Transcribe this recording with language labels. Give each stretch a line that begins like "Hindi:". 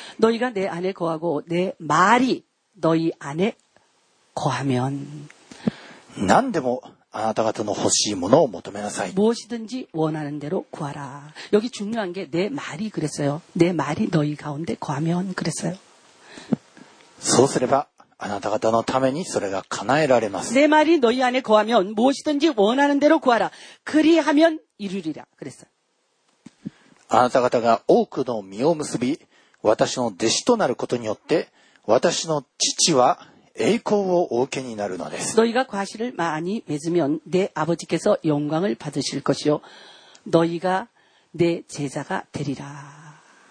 Korean: 너희가내안에거하고내말이너희안에거하면
Japanese: 何でもあなた方の欲しいものを求めなさい
Korean: 무엇이든지원하는대로구하라여기중요한게내말이그랬어요내말이너희가운데거하면그랬어요
Japanese: そうすればあなた方のためにそれが叶えられます。
Korean: 내말이너희안에거하면무엇이든지원하는대로구하라그리하면이루리라그랬어
Japanese: あなた方が多くの実を結び私の弟子となることによって私の父は栄光をお受けになるのです
Korean: 너희가과실을많이맺으면내아버지께서영광을받으실것이요너희가내제자가되리라、